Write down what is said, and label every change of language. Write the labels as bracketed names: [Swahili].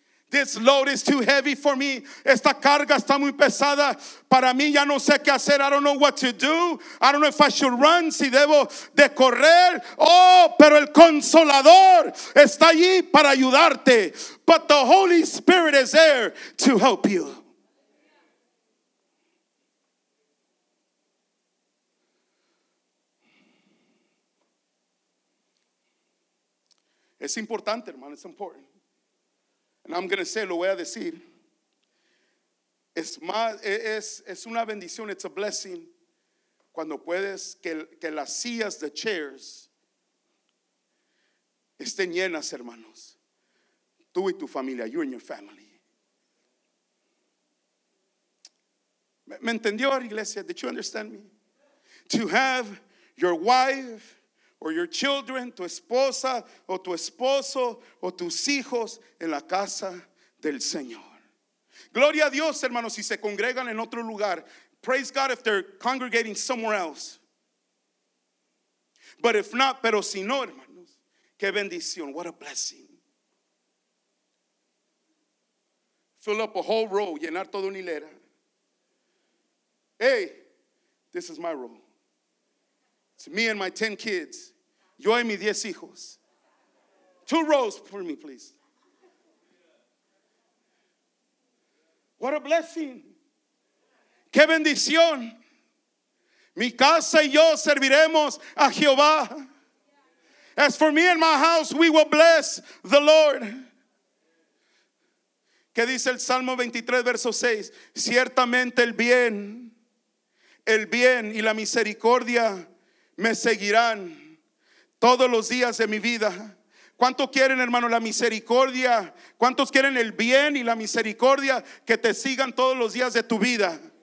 [English] This load is too heavy for me. [Spanish] Esta carga está muy pesada para mí. Ya no sé qué hacer. [English] I don't know what to do. I don't know if I should run. [Spanish] Si debo de correr. Oh, pero el Consolador está allí para ayudarte. [English] But the Holy Spirit is there to help you. [Spanish] Es importante, hermano. [English] It's important. And I'm going to say, [Spanish] lo voy a decir. Es más, es una bendición. [English] It's a blessing. [Spanish] Cuando puedes que las sillas, [English] the chairs, [Spanish] estén llenas, hermanos. Tú y tu familia. [English] You and your family. [Spanish] ¿Me entendió, iglesia? [English] Did you understand me? To have your wife or your children, [Spanish] tu esposa o tu esposo o tus hijos en la casa del Señor. Gloria a Dios, hermanos, si se congregan en otro lugar. [English] Praise God if they're congregating somewhere else. But if not, [Spanish] pero si no, hermanos, qué bendición, [English] what a blessing. Fill up a whole row, [Spanish] llenar toda una hilera. [English] Hey, this is my row. It's me and my 10 kids. [Spanish] Yo y mis 10 hijos. [English] Two rows for me, please. What a blessing. [Spanish] Qué bendición. Mi casa y yo serviremos a Jehová. [English] As for me and my house, we will bless the Lord. [Spanish] ¿Qué dice el Salmo 23, verso 6? Ciertamente el bien y la misericordia me seguirán todos los días de mi vida. ¿Cuántos quieren, hermano, la misericordia? ¿Cuántos quieren el bien y la misericordia que te sigan todos los días de tu vida?